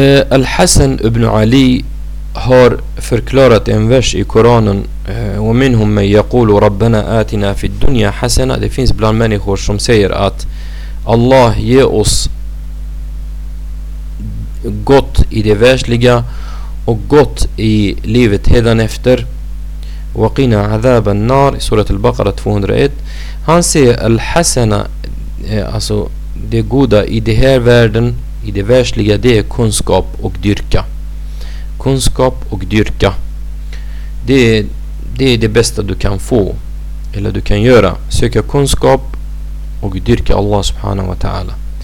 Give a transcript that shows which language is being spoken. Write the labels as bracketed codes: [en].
[sv] Al-Hassan ibn Ali har förklarat en vers i Koranen, [ar] وَمِنْهُمْ مَنْ يَقُولُ رَبَّنَا آتِنَا فِي الدُّنْيَا حَسَنَا. [sv] Det finns bland människor som säger att Allah ge oss gott i det världsliga och gott i livet hädanefter. [ar] وَقِنَا عَذَابَ النَّارِ, surat al-Baqarah 201. [sv] Han säger al-hasana, alltså det goda i det här världen, i det världsliga, det är kunskap och dyrka. Kunskap och dyrka, det är det bästa du kan få eller du kan göra. Söka kunskap och dyrka Allah subhanahu wa ta'ala.